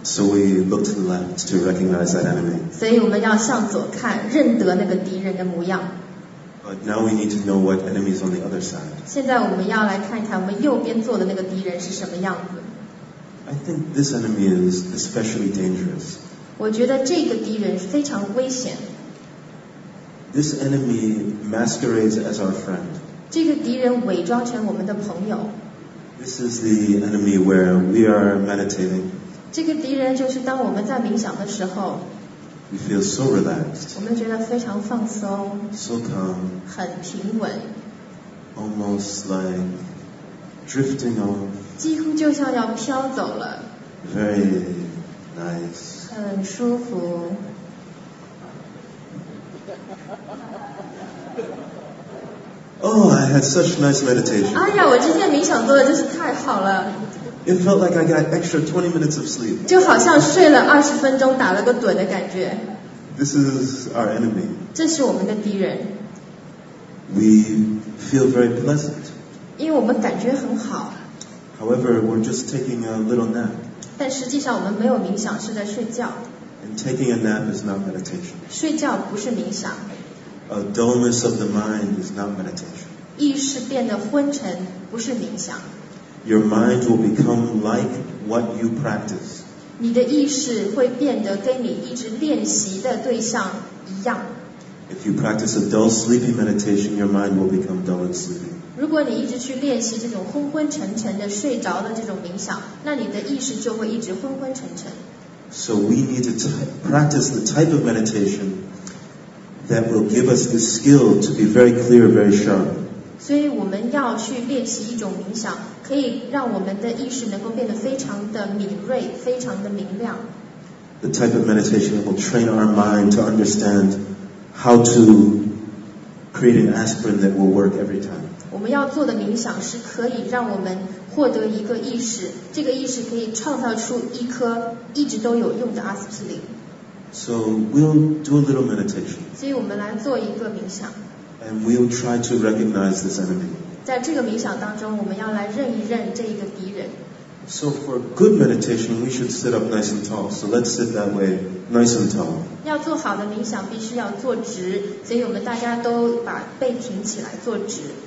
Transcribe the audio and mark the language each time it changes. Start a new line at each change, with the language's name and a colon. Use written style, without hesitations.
English: So we look to the left to recognize that enemy.
Chinese: 所以我们要向左看，认得那个敌人的模样。
English: But now we need to know what enemy is on the other side.
Chinese: 现在我们要来看一看我们右边坐的那个敌人是什么样子。
English: I think this enemy is especially dangerous.
Chinese: 我觉得这个敌人非常危险。
English: This enemy masquerades as our friend.
Chinese: 这个敌人伪装成我们的朋友。
English: This is the enemy where we are meditating.
Chinese: 这个敌人就是当我们在冥想的时候。
English: We feel so relaxed.
Chinese: 我们觉得非常放松。
English: So calm.
Chinese: 很平稳。
English: Almost like drifting off.
Chinese: 几乎就像要飘走了。
English: Very nice.
Chinese: 很舒服。
English: Oh, I had such nice meditation.
Chinese: 哎呀，我今天冥想做的真是太好了。
English: It felt like I got extra 20 minutes of sleep.
Chinese: 就好像睡了20分钟打了个盹的感觉。
English: This is our enemy.
Chinese: 这是我们的敌人。
English: We feel very pleasant.
Chinese: 因为我们感觉很好。
English: However, we're just taking a little nap.
Chinese: 但实际上我们没有冥想，是在睡觉。
English: And taking a nap is not meditation.
Chinese: 睡觉不是冥想。
English: A dullness of the mind is not meditation.
Chinese: 意识变得昏沉不是冥想。
English: Your mind will become like what you practice.
Chinese: 你的意识会变得跟你一直练习的对象一样。
English: If you practice a dull sleeping meditation, your mind will become dull and sleeping.
Chinese: 如果你一直去练习这种昏昏沉沉的睡着的这种冥想，那你的意识就会一直昏昏沉沉。
English: So we need to practice the type of meditation that will give us the skill to be very clear, very sharp.
Chinese: 所以我们要去练习一种冥想。可以让我们的意识能够变得非常的敏锐，非常的明亮。
English: The type of meditation will train our mind to understand how to create an aspirin that will work every time.
Chinese: 我们要做的冥想是可以让我们获得一个意识，这个意识可以创造出一颗一直都有用的阿司匹林。
English: So we'll do a little meditation.
Chinese: 所以我们来做一个冥想。
English: And we'll try to recognize this enemy.
Chinese: 在这个冥想当中，我们要来认一认这一个敌人。
English: So for good meditation, we should sit up nice and tall. So let's sit that way, nice and tall.
Chinese: 要做好的冥想，必须要坐直，所以我们大家都把背挺起来，坐直。